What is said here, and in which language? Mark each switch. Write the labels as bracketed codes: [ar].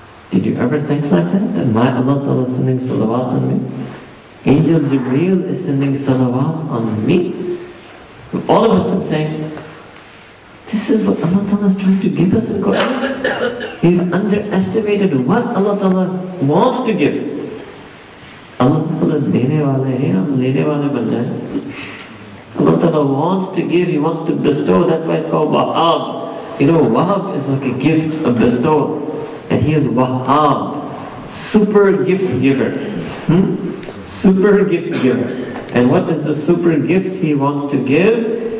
[en] Did you ever think like that? That my Allah Ta'ala is sending salawat on me? Angel Jibreel is sending salawat on me. All of us are saying, this is what Allah Ta'ala is trying to give us in Quran. We've underestimated what Allah Ta'ala wants to give. [hi] अल्लाह तआला देने वाले है, हम लेने वाले बन जाये. [en] Allah Ta'ala wants to give, He wants to bestow, that's why it's called Wahab. You know, Wahab is like a gift, a bestowal. And He is Wahab, super gift giver. Super gift giver. And what is the super gift He wants to give?